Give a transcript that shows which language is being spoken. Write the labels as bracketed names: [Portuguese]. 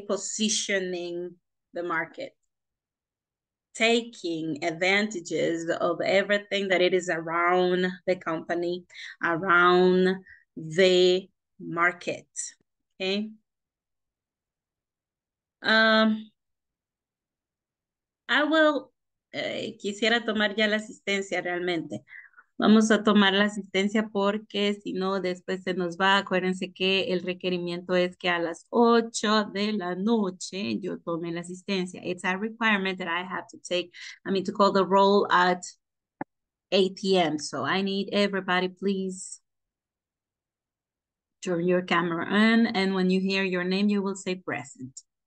[English] Positioning the market, taking advantages of everything that it is around the company, around the market, okay? I will [Spanish] quisiera tomar ya la asistencia realmente. Vamos a tomar la asistencia porque si no, después se nos va. Acuérdense que el requerimiento es que a las 8 de la noche yo tome la asistencia. [English] It's a requirement that I have to take, I mean, to call the roll at 8 p.m. So I need everybody, please turn your camera on. And when you hear your name, you will say present.